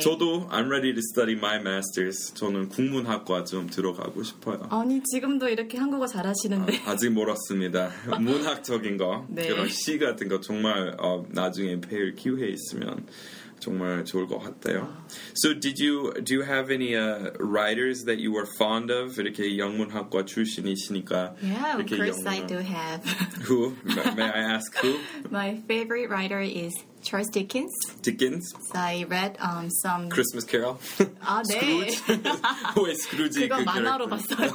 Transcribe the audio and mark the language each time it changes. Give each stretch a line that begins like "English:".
Korean: 저도
English: I'm ready to study my master's.
Korean: 저는 국문학과 좀 들어가고 싶어요. 아니, 지금도 이렇게 한국어 잘하시는데. 아직 멀었습니다. 문학적인 거, 네. 그런 시 같은 거 정말 나중에 배울 기회 있으면 정말 좋을 것 같아요.
English: So did you do you have any writers that you were fond of?
Korean: 이렇게 영문학과 출신이시니까.
English: Yeah, of course 영문학... I do have. Who? May I ask who? My favorite writer is Charles Dickens. Dickens. So I read some Christmas Carol.
Korean: 아 네. 왜 스크루지? 그거 만화로 봤어요.